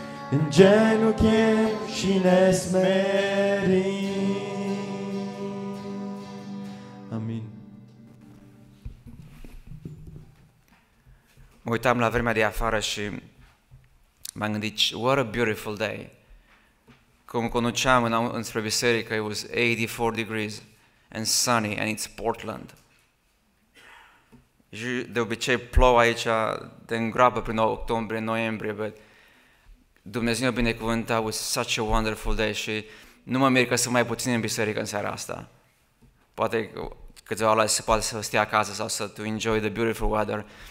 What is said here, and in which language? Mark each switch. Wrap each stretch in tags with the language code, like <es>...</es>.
<ro>Îngenunchem și ne smerim. Mă uitam la vremea de afară și m-am gândit,</ro> <en>what a beautiful day.</en> <ro>Cum conduceam înspre biserică,</ro> <en>it was 84 degrees and sunny and it's Portland.</en> <ro>De obicei plouă aici de îngroapă prin octombrie, noiembrie, but Dumnezeu binecuvânta,</ro> <en>it was such a wonderful day</en> <ro>și nu mă mir că sunt mai puțin în biserică în seara asta. Poate câteva la se poate să stea acasă sau să</ro> <en>to enjoy the beautiful weather.</en>